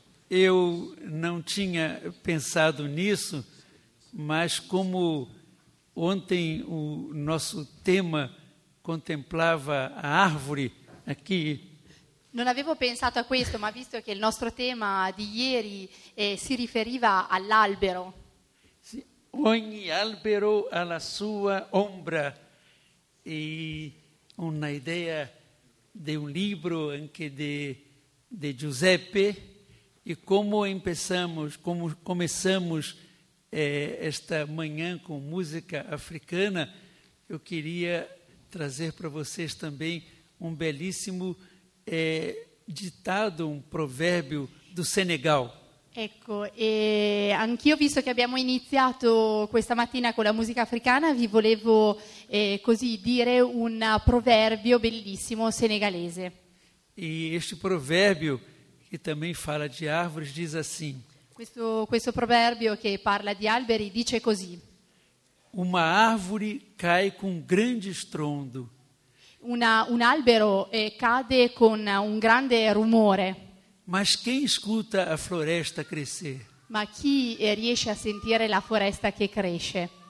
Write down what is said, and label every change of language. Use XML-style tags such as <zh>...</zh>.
<pt>Eu não tinha pensado nisso, mas como ontem o nosso tema contemplava a árvore aqui...</pt> <it>Non avevo pensato a questo, ma visto che il nostro tema di ieri si riferiva all'albero. Sì, ogni albero ha la sua ombra e una idea di un libro anche di Giuseppe.</it> <pt>E como começamos, esta manhã com música africana, eu queria trazer para vocês também um belíssimo ditado, um provérbio do Senegal.</pt> <it>Ecco, e anch'io, visto che abbiamo iniziato questa mattina con la musica africana, vi volevo così dire un proverbio bellissimo senegalese.</it> <pt>E este provérbio, e também fala de árvores, diz assim.</pt> <it>Questo proverbio che parla di alberi dice così.</it> <pt>Uma árvore cai com grande estrondo.</pt> <it>Un albero cade con un grande rumore.</it> <pt>Mas quem escuta a floresta crescer?</pt> <it>Ma chi riesce a sentire la foresta che cresce?</it>